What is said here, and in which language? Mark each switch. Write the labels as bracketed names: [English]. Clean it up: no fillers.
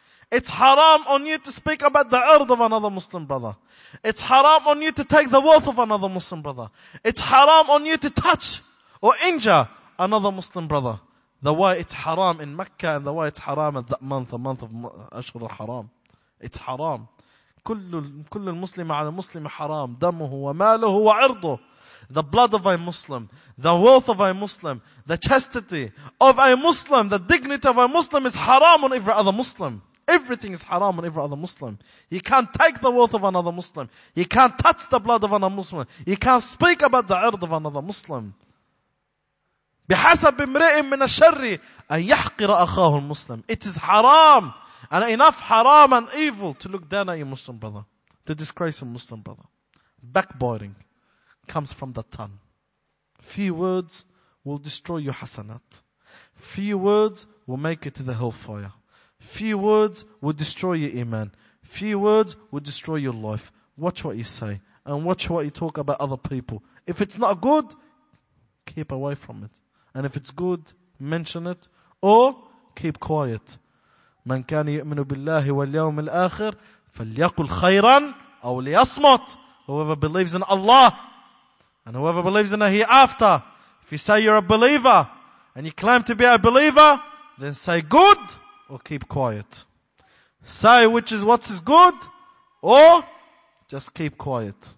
[English] It's haram on you to speak about the ird of another Muslim brother. It's haram on you to take the wealth of another Muslim brother. It's haram on you to touch or injure another Muslim brother. The way it's haram in Mecca and the way it's haram at that month, the month of Ashur al-Haram. It's haram. [Arabic] كل المسلم على المسلم حرام، دمه وماله وعرضه. [English] The blood of a Muslim, the wealth of a Muslim, the chastity of a Muslim, the dignity of a Muslim is haram on every other Muslim. Everything is haram on every other Muslim. He can't take the wealth of another Muslim. He can't touch the blood of another Muslim. He can't speak about the ird of another Muslim. [Arabic] بحسب امرئ من الشر أن يحقر أخاه المسلم. [English] It is haram and enough haram and evil to look down at your Muslim brother, to disgrace a Muslim brother. Backbiting comes from the tongue. Few words will destroy your hasanat. Few words will make it to the hellfire. Few words will destroy your iman. Few words will destroy your life. Watch what you say and watch what you talk about other people. If it's not good, keep away from it. And if it's good, mention it or keep quiet. [Arabic] من كان يؤمن بالله واليوم الآخر فليقل خيرا أو ليصمت. [English] Whoever believes in Allah and whoever believes in the hereafter, if you say you're a believer and you claim to be a believer, then say good or keep quiet. Say which is what is good or just keep quiet.